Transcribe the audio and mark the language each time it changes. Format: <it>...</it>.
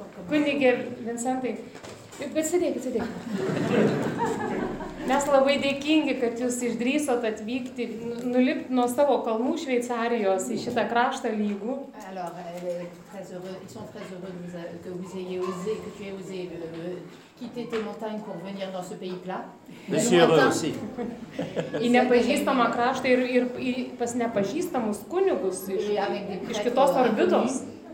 <lt>Kunigė Vincentai, bet sėdėkit. Mes labai dėkingi, kad jūs išdrįsot atvykti, nulipti nuo savo kalnų Šveicarijos į šitą kraštą lygų.</lt> <fr>Alors, ils sont très heureux que vous ayez osé, que tu aies osé quitter tes montagnes pour venir dans ce pays plat. Mais c'est heureux aussi.</fr> <lt>Į nepažįstamą kraštą ir pas nepažįstamus kunigus iš kitos orbitos.</lt>